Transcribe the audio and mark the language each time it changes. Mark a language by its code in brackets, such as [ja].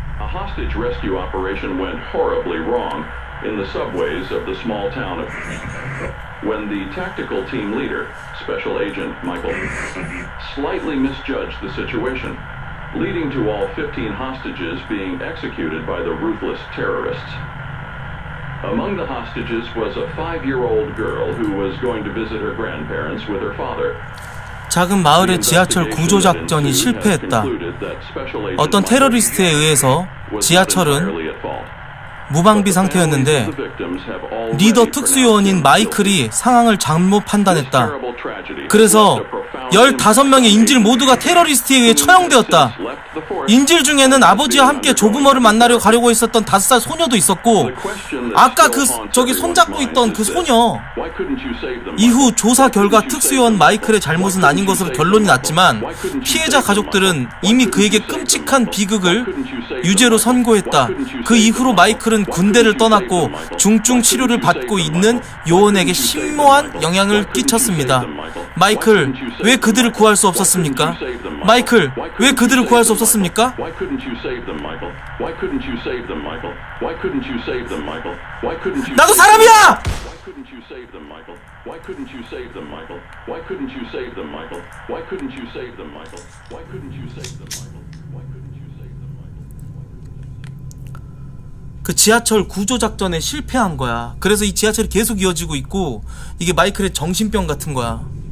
[en] hostage rescue operation went horribly wrong in the subways of the small town of when the tactical team leader, Special Agent Michael, slightly misjudged the situation, leading to all 15 hostages being executed by the ruthless terrorists. Among the hostages was a 5-year-old girl who was going to visit her grandparents with her father. [ko] 작은 마을의 지하철 구조 작전이 실패했다. 어떤 테러리스트에 의해서 지하철은 무방비 상태였는데 리더 특수요원인 마이클이 상황을 잘못 판단했다. 그래서 15명의 인질 모두가 테러리스트에 의해 처형되었다. 인질 중에는 아버지와 함께 조부모를 만나러 가려고 했었던 5살 소녀도 있었고 아까 그 저기 손잡고 있던 그 소녀 이후 조사 결과 특수요원 마이클의 잘못은 아닌 것으로 결론이 났지만 피해자 가족들은 이미 그에게 끔찍한 비극을 유죄로 선고했다. 그 이후로 마이클은 군대를 떠났고 중증 치료를 받고 있는 요원에게 심오한 영향을 끼쳤습니다. 마이클, 왜 그들을 구할 수 없었습니까? 마이클, 왜 그들을 구할 수 없었습니까? [en] Why couldn't you save them, Michael? Why couldn't you save them, Michael? Why couldn't you save them, Michael? Why couldn't you? [ko] 나도 사람이야! [en] Why couldn't you save them, Michael? Why couldn't you save them, Michael? Why couldn't you save them, Michael? Why couldn't you save them, Michael? Why couldn't you save them, Michael? Why couldn't you save them, Michael? [ko] 그 지하철 구조 작전에 실패한 거야. 그래서 이 지하철이 계속 이어지고 있고 이게 마이클의 정신병 같은 거야.